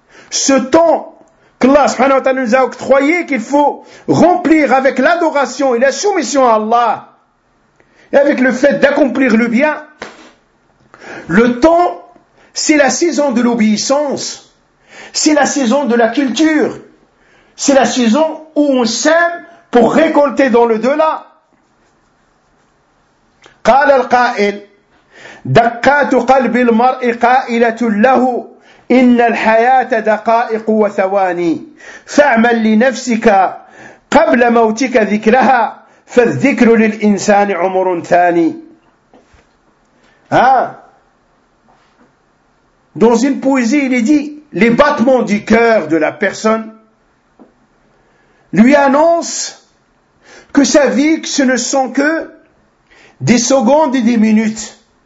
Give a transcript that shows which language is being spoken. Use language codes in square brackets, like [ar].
[fr] Ce temps qu'Allah subhanahu wa ta'ala nous a octroyé, qu'il faut remplir avec l'adoration et la soumission à Allah et avec le fait d'accomplir le bien. Le temps, c'est la saison de l'obéissance, c'est la saison de la culture, c'est la saison où on sème pour récolter dans le-delà. [ar] قال القائل دقات قلب المرء قائلة له إن الحياة دقائق وثواني فاعمل لنفسك قبل موتك ذكرها فالذكر للإنسان عمر ثاني. [fr] ها dans une poésie il dit les battements du cœur de la personne lui annoncent que sa vie que ce ne sont que des secondes et des minutes.